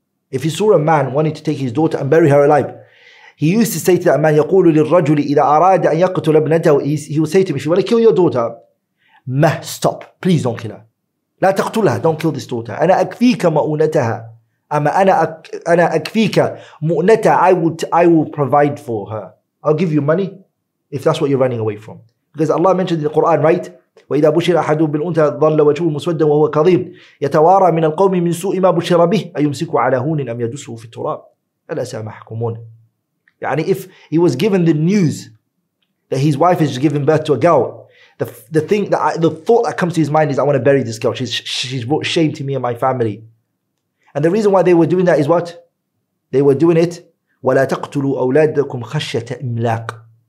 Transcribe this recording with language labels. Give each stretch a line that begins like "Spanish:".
English: If he saw a man wanting to take his daughter and bury her alive, he used to say to that man,
Arabic: يَقُولُ لِلْرَجُلِ إِذَا أَرَادَ أَنْ يَقْتُلَ ابْنَتَهُ,
English: he would say to him, if you want to kill your daughter,
Arabic: مَهْ,
English: stop, please don't kill her.
Arabic: لا تقتلها,
English: don't kill this daughter.
Arabic: أنا أكفيك مؤونتها. أنا أكفيك مؤنتها.
English: I will provide for her. I'll give you money if that's what you're running away from. Because Allah mentioned in the Quran, right?
Arabic: وإذا بشر أحد بالأنثى ظل وجهه مسودا وهو كظيم يتوارى من القوم من سوء ما بشر به أيمسكه على هون أم يدسه في التراب ألا ساء ما يحكمون.
English: يعني if he was given the news that his wife has given birth to a girl, the thought that comes to his mind is, I want to bury this girl. She's brought shame to me and my family. And the reason why they were doing that is what? They were doing it,
Arabic: وَلَا تَقْتُلُوا أَوْلَادَكُمْ خَشْيَةَ إِمْلَاقٍ.